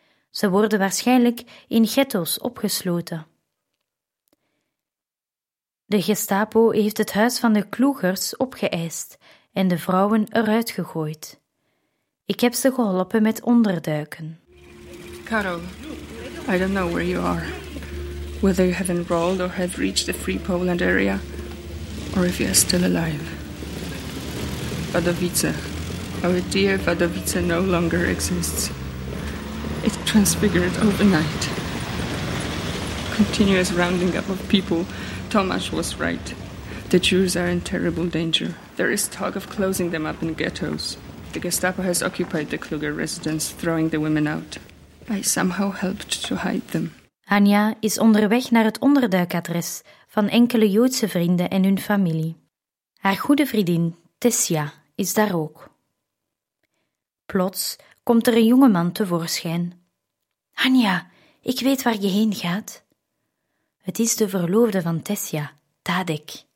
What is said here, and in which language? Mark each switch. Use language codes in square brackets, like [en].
[nl] Ze worden waarschijnlijk in ghetto's opgesloten. De Gestapo heeft het huis van de Kloegers opgeëist en de vrouwen eruit gegooid. Ik heb ze geholpen met onderduiken. [en] Carol, I don't know where you are. Whether you have enrolled or have reached the Free Poland area. Or if you are still alive. Vadovice, our dear Vadovice no longer exists. It transfigured overnight. Continuous rounding up of people. Tomasz was right. The Jews are in terrible danger. There is talk of closing them up in ghettos. The Gestapo has occupied the Kluger residence, throwing the women out. I somehow helped to hide them. [nl] Anja is onderweg naar het onderduikadres van enkele Joodse vrienden en hun familie. Haar goede vriendin, Tessia, is daar ook. Plots komt er een jonge man tevoorschijn. Anja, ik weet waar je heen gaat. Het is de verloofde van Tessia, Tadek.